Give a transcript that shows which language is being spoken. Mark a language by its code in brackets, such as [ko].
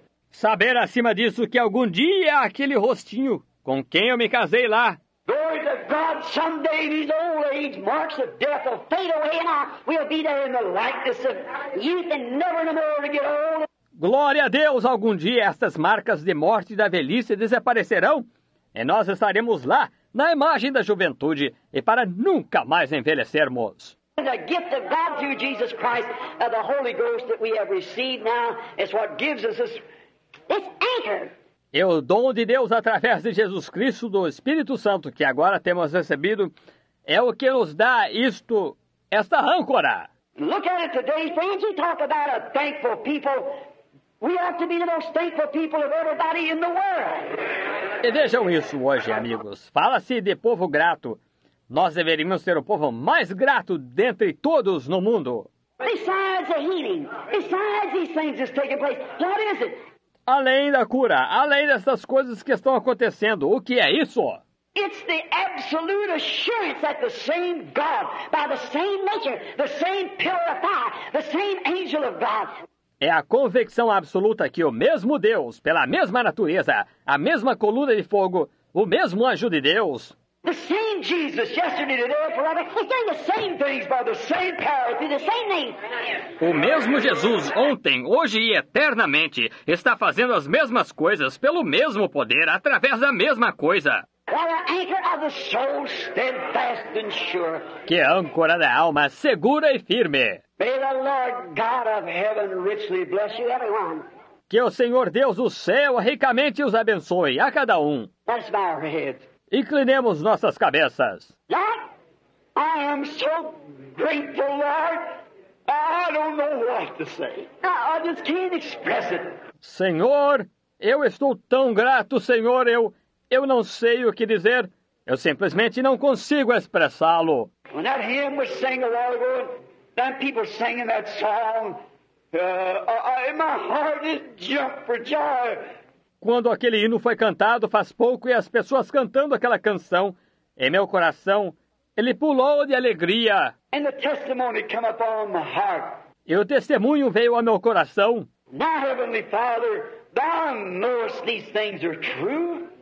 [pt] Saber acima disso que algum dia aquele rostinho com quem eu me casei lá. [en] Glory to God, someday these old age marks of death will fade away and I will be there in the likeness of youth and never no more to get old. [pt] Glória a Deus, algum dia estas marcas de morte e da velhice desaparecerão e nós estaremos lá na imagem da juventude e para nunca mais envelhecermos. [en] And the gift of God through Jesus Christ and the Holy Ghost that we have received now is what gives us this anchor. [pt] E o dom de Deus através de Jesus Cristo do Espírito Santo que agora temos recebido é o que nos dá isto, esta âncora. [en] Look at it today, friends. You talk about a thankful people. We ought to be the most thankful people of everybody in the world. [pt] E vejam isso hoje, amigos. Fala-se de povo grato. Nós deveríamos ser o povo mais grato dentre todos no mundo. [en] Besides the healing, besides these things that's taking place, what is it? [pt] Além da cura, além dessas coisas que estão acontecendo, o que é isso? [en] It's the absolute assurance that the same God, by the same nature, the same pillar of fire, the same angel of God. [pt] É a convicção absoluta que o mesmo Deus, pela mesma natureza, a mesma coluna de fogo, o mesmo anjo de Deus. [en] The same Jesus, yesterday, today, forever. He's doing the same things by the same power, through the same name. [pt] O mesmo Jesus, ontem, hoje e eternamente, está fazendo as mesmas coisas pelo mesmo poder, através da mesma coisa. [en] While the anchor of the soul steadfast and sure. [pt] Que âncora da alma segura e firme. [en] May the Lord God of heaven richly bless you, everyone. [pt] Que o Senhor Deus do céu ricamente os abençoe a cada um. [en] Let's bow our heads. [pt] Inclinemos nossas cabeças. [en] Lord, I am so grateful, Lord. I don't know what to say. I just can't express it. [pt] Senhor, eu estou tão grato, Senhor, eu não sei o que dizer. Eu simplesmente não consigo expressá-lo. [en] When that hymn was sang a while ago, them people singing that song, my heart is jumped for joy. [pt] Quando aquele hino foi cantado faz pouco e as pessoas cantando aquela canção, em meu coração, ele pulou de alegria. [en] And the testimony came upon my heart. [pt] E o testemunho veio ao meu coração. [en] My heavenly Father, thou knowest these things are true.